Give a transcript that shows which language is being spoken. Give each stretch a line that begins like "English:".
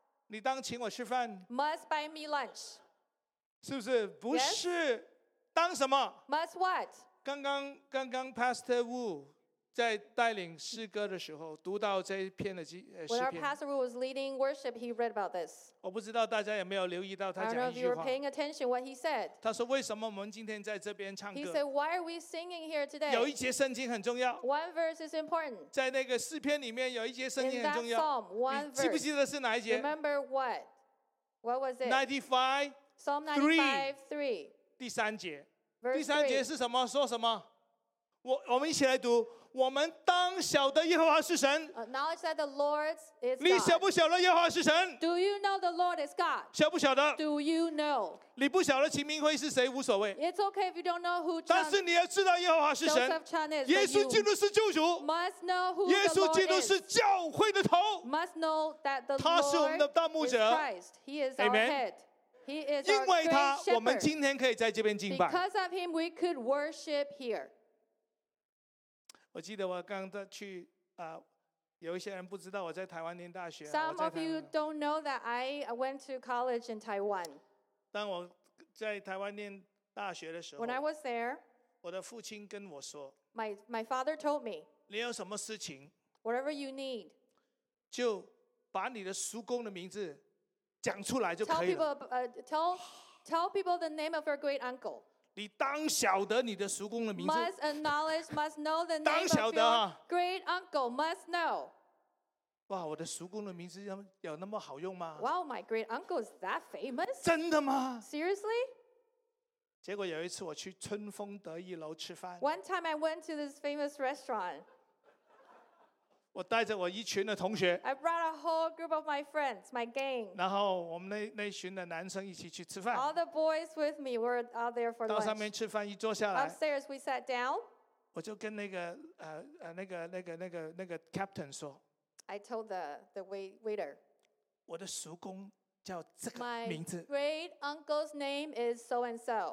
Chinese: 你当请我吃饭
English: Must buy me lunch
Chinese: 是不是不是当什么
English: yes? Must what?
Chinese: 刚刚 Pastor Wu 在带领诗歌的时候读到这一篇的诗篇
English: When our Pastor Wu was leading worship, he read about this
Chinese: 我不知道大家有没有留意到他讲一句话
English: I don't know if you were paying attention what he said
Chinese: 他说为什么我们今天在这边唱歌
English: He said, why are we singing here today?
Chinese: 有一节圣经很重要
English: One verse is important
Chinese: 在那个诗篇里面有一节圣经很重要
English: In that psalm, one verse
Chinese: 记不记得是哪一节
English: Remember what? What was it?
Chinese: 95,
English: Psalm 95, 3
Chinese: 第三节
English: Verse
Chinese: 第三节是什么说什么我们一起来读我们当晓得耶和华是神
English: Acknowledge that the Lord is God
Chinese: 你晓不晓得耶和华是神
English: Do you know the Lord is God
Chinese: 晓不晓得
English: Do you know
Chinese: 你不晓得秦明辉是谁无所谓
English: It's okay if you don't know who
Chinese: 但是你要知道耶和华是神
English: Joseph Chan is
Chinese: 耶稣基督是救主
English: Must know who the Lord is
Chinese: 耶稣基督是教会的头
English: Must know that the Lord is Christ
Chinese: 他是我们的大牧者
English: He is our head He is our great
Chinese: 因为他我们今天可以在这边敬拜
English: Because of him we could worship here
Chinese: 我记得我刚刚去、有一些人不知道我在台湾念大学。
English: Some of you don't know that I went to college in Taiwan.
Chinese: 当我在台湾念大学的时候
English: ，When I was there，
Chinese: 我的父亲跟我说
English: ，My father told me，
Chinese: 你有什么事情
English: ，Whatever you need，
Chinese: 就把你的叔公的名字讲出来就可以了。
English: Tell people， tell Tell people the name of your great uncle.
Chinese: 你当晓得你的叔公的名字。
English: Must acknowledge, must know the name of your great uncle. Must know.
Chinese: 哇，我的叔公的名字有那么好用吗
English: ？Wow, my great uncle is that famous?
Chinese: 真的吗
English: ？Seriously?
Chinese: 结果有一次我去春风得意楼吃饭。
English: One time I went to this famous restaurant.
Chinese: 我带着我一群的同学。
English: I brought a whole group of my friends, my gang.
Chinese: 然后我们那群的男生一起去吃饭。
English: All the boys with me were out there for lunch.
Chinese: 到上面吃饭一坐下来。
English: Upstairs we sat down.
Chinese: 我就跟那个 captain 说。
English: I told the waiter.
Chinese: 我的叔公。叫这个名字。
English: My great uncle's name is so and so.